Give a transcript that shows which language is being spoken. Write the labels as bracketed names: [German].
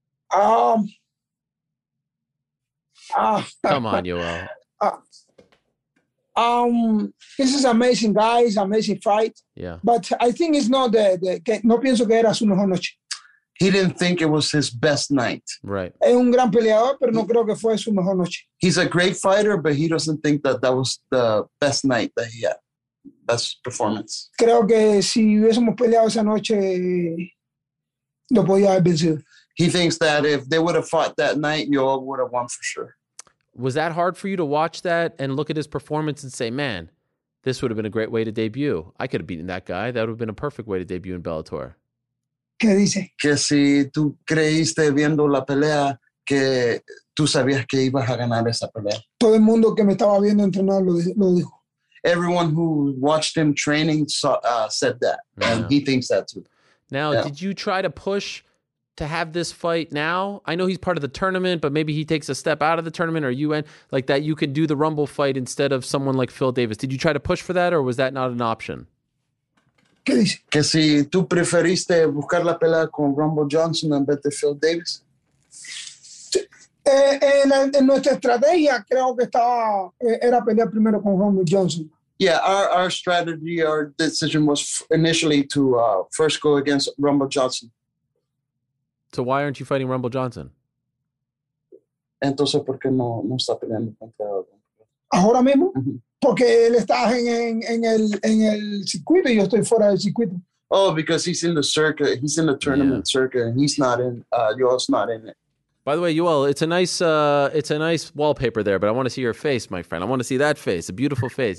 [English] Come on, Yoel. This is amazing, guys. Amazing fight. Yeah. But I think it's not the [Spanish] no pienso que era su mejor noche. [English] He didn't think it was his best night. Right. [Spanish] Es un gran peleador, pero no creo que fue su mejor noche. [English] He's a great fighter, but he doesn't think that that was the best night that he had. Best performance. [Spanish] Creo que si hubiésemos peleado esa noche, lo podía haber vencido. [English] He thinks that if they would have fought that night, Yoel would have won for sure. Was that hard for you to watch that and look at his performance and say, man, this would have been a great way to debut? I could have beaten that guy. That would have been a perfect way to debut in Bellator. [Spanish] ¿Qué dice? Que si tú creíste viendo la pelea, que tú sabías que ibas a ganar esa pelea. Todo el mundo que me estaba viendo entrenar lo dijo. [English] Everyone who watched him training said that. Yeah. And he thinks that too. Now, yeah. Did you try to push to have this fight now? I know he's part of the tournament, but maybe he takes a step out of the tournament or UN, like that you could do the Rumble fight instead of someone like Phil Davis. Did you try to push for that or was that not an option? ¿Qué dice? Que si tú preferiste buscar la pelea con Rumble Johnson en vez de Phil Davis. [Spanish] En nuestra estrategia creo que estaba era pelear primero con Rumble Johnson. [English] Yeah, our strategy, our decision was initially to first go against Rumble Johnson. So why aren't you fighting Rumble Johnson? [Spanish] Entonces, ¿por qué no está peleando contra Rumble? Ahora mismo. Porque él está en el circuito y yo estoy fuera del circuito. [English] Oh, because he's in the circuit. He's in the tournament circuit and he's not in, Yoel's not in it. By the way, Yoel, it's a nice wallpaper there, but I want to see your face, my friend. I want to see that face, a beautiful face.